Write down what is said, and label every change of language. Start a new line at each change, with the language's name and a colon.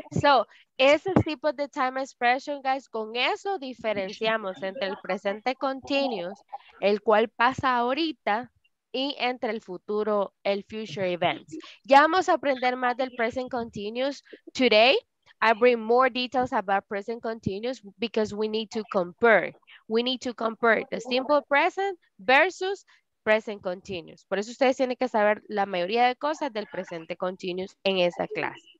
Spanish: So, ese tipo de time expression, guys, con eso diferenciamos entre el presente continuous, el cual pasa ahorita, y entre el futuro, el future events. Ya vamos a aprender más del present continuous today.
English: I bring more details about present continuous because we need to compare. We need to compare the simple present versus present continuous.
Spanish: Por eso ustedes tienen que saber la mayoría de cosas del presente continuous en esa clase.